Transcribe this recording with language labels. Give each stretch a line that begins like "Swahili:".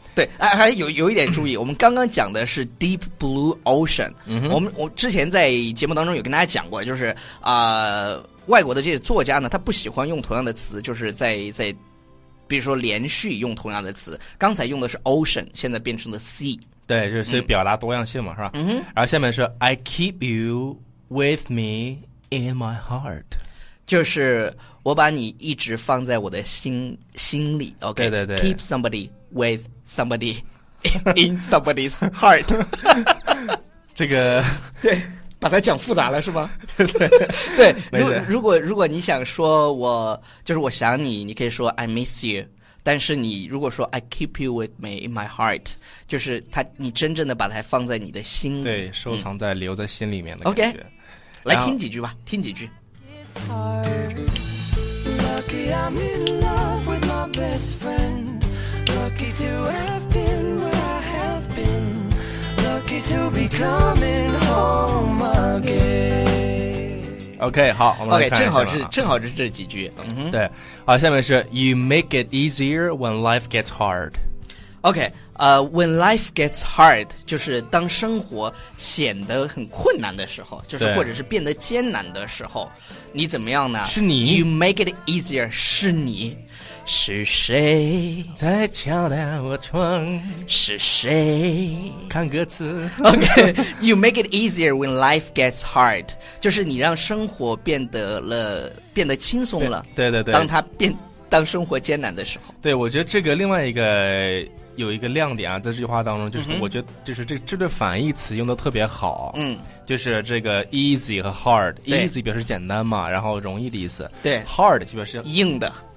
Chinese: 对，还有一点注意，我们刚刚讲的是 Deep Blue Ocean，我之前在节目当中有跟大家讲过，就是外国的这些作家呢，他不喜欢用同样的词，就是在比如说连续用同样的词，刚才用的是 ocean， 现在变成了 sea。对，就是表达多样性嘛，是吧。
English: 然后下面是 I keep you with me in my heart，
Chinese: 就是我把你一直放在我的心里。
English: OK，
Chinese: 对对对，
English: keep somebody with somebody in somebody's heart。
Chinese: 这个对，把它讲复杂了是吗？对，对，如果你想说我就是我想你，你可以说 I miss you，但是你如果说 I keep you with me in my heart，就是他，你真正的把它放在你的心里，对，收藏在留在心里面的感觉。 OK， 来听几句吧，听几句。
English: It's hard， Lucky I'm in love with my best friend， Lucky to have been where I have been， Lucky to be coming home again。
Chinese: OK， 好，我们来看一下。 OK， 正好是这几句。
English: 对，好，下面是 You make it easier when life gets hard。
Chinese: OK， when life gets hard，就是当生活显得很困难的时候，就是或者是变得艰难的时候，你怎么样呢？是你。
English: You make it easier，是你。
Chinese: 是谁在敲打我窗？是谁看歌词
English: ？OK， you make it easier when life gets hard，就是你让生活变得轻松了。
Chinese: 对。对对对，当生活艰难的时候。对，我觉得这个另外一个有一个亮点啊，在这句话当中，就是我觉得就是这对反义词用的特别好。就是这个 easy 和 hard， easy 表示简单嘛，然后容易的意思。对， hard 就表示硬的。